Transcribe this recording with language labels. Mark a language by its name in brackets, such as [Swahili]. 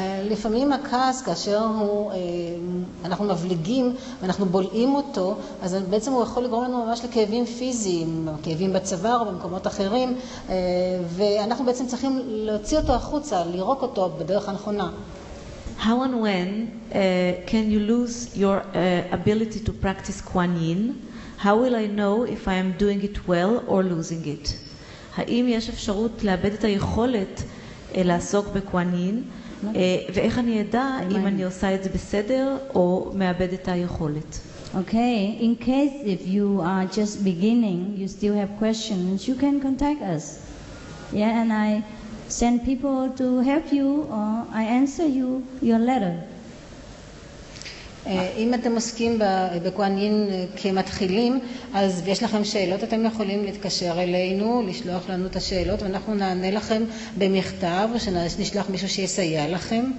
[Hebrew] לפעמים הכעס, כאשר אנחנו מבליגים ואנחנו בולעים אותו, אז בעצם הוא יכול לגרום לנו ממש לכאבים פיזיים, כאבים בצוואר או במקומות אחרים, ואנחנו בעצם צריכים להוציא אותו החוצה, לירוק אותו בדרך הנכונה. [English] How and when can you lose your ability to practice Kuan Yin? How will I know if I am doing it well or losing it? [Hebrew] האם יש אפשרות לאבד את היכולת לעסוק בקוואן יין? ואיך אני אדע אם אני עושה את זה בסדר או מאבד את היכולת? [English] Okay, in case if you are just beginning, you still have questions, you can contact us. Yeah, and I send people to help you or I answer you your letter. [Hebrew] אם אתם עוסקים בקואנין כמתחילים, אז יש לכם שאלות, אתם יכולים להתקשר אלינו, לשלוח לנו את השאלות, ואנחנו נענה לכם במכתב, או שנשלח מישהו שיסייע לכם.